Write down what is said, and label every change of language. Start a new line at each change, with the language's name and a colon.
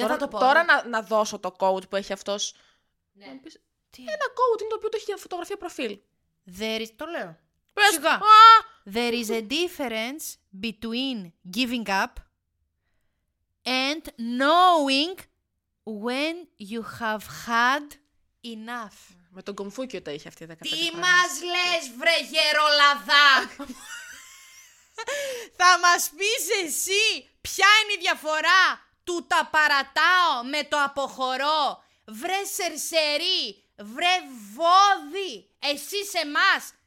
Greek: Τώρα να δώσω το code που έχει αυτός. Ναι. Ένα code είναι το οποίο το έχει φωτογραφία προφίλ. Το λέω. Πες. Σιγά.
English: There is a difference between giving up and knowing when you have had enough.
Greek: Με τον Κομφούκιο τα είχε αυτή η 15. Τι μας λες, βρε γερολαδά! Θα μας πεις εσύ ποια είναι η διαφορά του τα παρατάω με το αποχωρώ. Βρε σερσερί, βρε βόδι, εσύ σε μας.